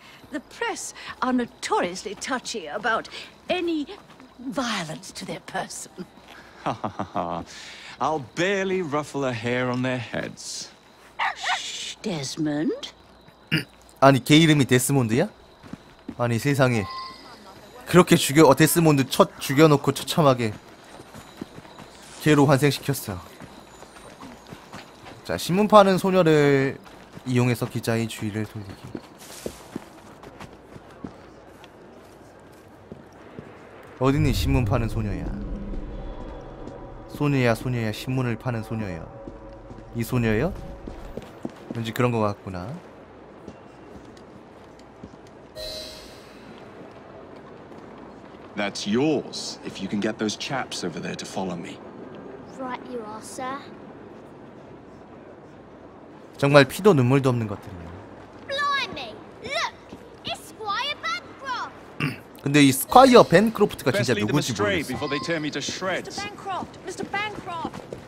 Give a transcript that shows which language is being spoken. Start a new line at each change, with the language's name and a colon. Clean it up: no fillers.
English: The press are notoriously touchy about any violence to their person. I'll barely ruffle a hair on their heads. Shh, Desmond.
Korean: 아니, 걔 이름이 데스몬드야? 아니, 세상에. 그렇게 데스몬드 첫 죽여놓고 처참하게 걔로 환생시켰어. 자, 신문 파는 소녀를 이용해서 기자의 주의를 돌리기. 어디니 신문 파는 소녀야? 소녀야 신문을 파는 소녀야. 이 소녀요? 왠지 그런 것 같구나.
English: 'That's yours if you can get those chaps over there to follow me. Right you are, sir.
Korean: 정말 피도 눈물도 없는 것들이네요.
English: Blimey, look, it's Squire Bancroft.
Korean: 근데 이 스콰이어 벤크로프트가 진짜 누구지 모르겠어.
English: Mr. Bancroft, Mr. Bancroft.